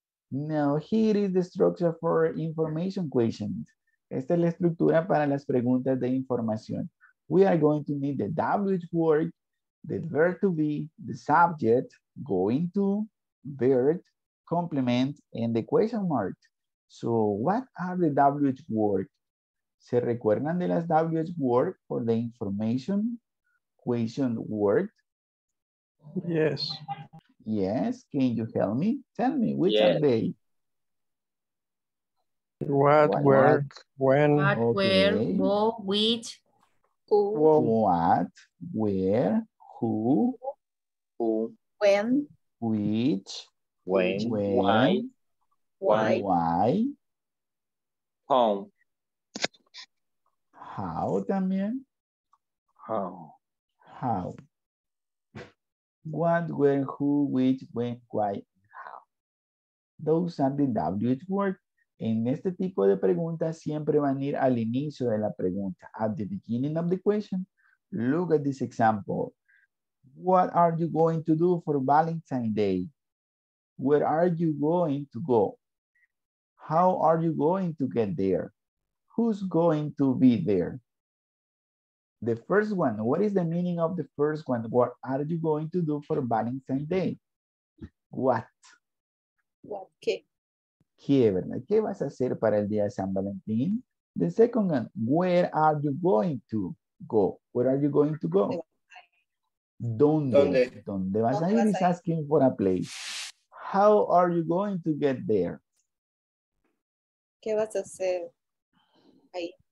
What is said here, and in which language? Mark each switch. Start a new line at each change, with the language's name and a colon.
English: Now, here is the structure for information questions.
Spanish: Esta es la estructura para las preguntas de información.
English: We are going to need the WH word, the verb to be, the subject, going to, verb, complement, and the question mark. So, what are the WH word?
Spanish: ¿Se recuerdan de las
English: WH word for the information question word? Yes. Yes, can you help me? Tell me, which yes. are they? What, where, when, what, okay. where, who, which, who, what, where, who, when, which, when, where, why, home, how, también, how. What, where, who, which, when, why, how. Those are the WH words.
Spanish: En este tipo de preguntas siempre van a ir al inicio de la pregunta.
English: At the beginning of the question, look at this example. What are you going to do for Valentine's Day? Where are you going to go? How are you going to get there? Who's going to be there? The first one, what is the meaning of the first one? What are you going to do for Valentine's Day? What? What? Okay.
Spanish: ¿Qué, verdad? ¿Qué vas a hacer para el día de San Valentín?
English: The second one, where are you going to go? Where are you going to go? ¿Dónde?
Spanish: ¿Dónde vas a ir?
English: He's asking for a place. How are you going to get there?
Spanish: ¿Qué vas a hacer ahí?